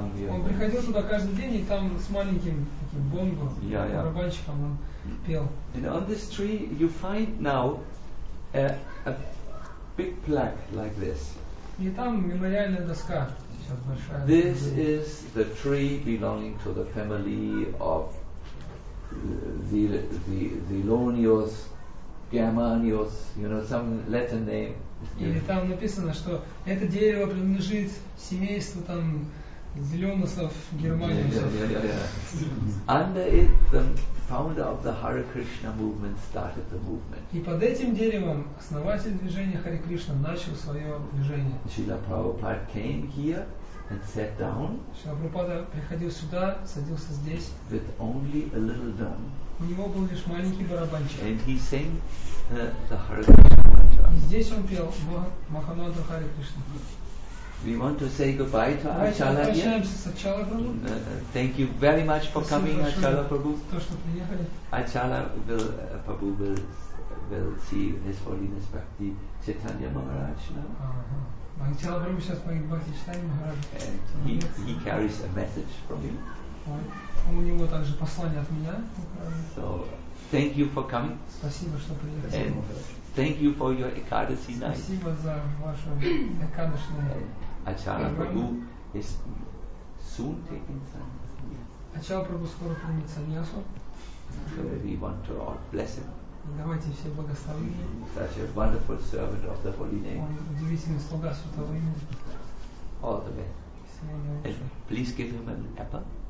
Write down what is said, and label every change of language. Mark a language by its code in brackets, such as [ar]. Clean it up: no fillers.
[ru] Он приходил туда каждый день, и там с маленьким таким бонго, барабанщиком, он пел. [en] And on this tree you find now a big plaque like this. [ru] И там мемориальная доска. [en] This is the tree belonging to the family of the Lonios, Germanios, you know, some Latin name. [ru] Или там написано, что это дерево принадлежит семейству там Зеленосов, Германиосов. [en] Yeah. Under it, the founder of the Hare Krishna movement started the movement. [ru] И под этим деревом основатель движения Харе Кришна начал свое движение. [en] Шрила Прабхупада came here and sat down. [ru] Шрила Прабхупада приходил сюда, садился здесь. [en] With only a little drum. [ru] У него был лишь маленький барабанчик. [en] And he sang the Hare Krishna mantra. [ru] И здесь он пел Махамантру Харе Кришна. [en] We want to say goodbye to Achala Prabhu. Thank you very much for coming, Achala Prabhu. Achala Prabhu will see His Holiness Bhakti Chaitanya Maharaj now. Achala Prabhu will see His Holiness Bhakti Maharaj. He carries a message from you. [ru] У него также послание от меня. [en] So, thank you for coming. [ru] Спасибо, что приехали. [en] Thank you for your Ekadasi night. [ru] Спасибо за вашу Ekadasi [en] Achala Prabhu is soon taking sannyas. [ru] Achala Prabhu скоро примет саньясу. [en] So we want to all bless him. [ru] Давайте все благословим. [en] Such a wonderful servant of the Holy Name. [ru] Он удивительный слуга Святого Имени. [en] All the best. And please give him an apple.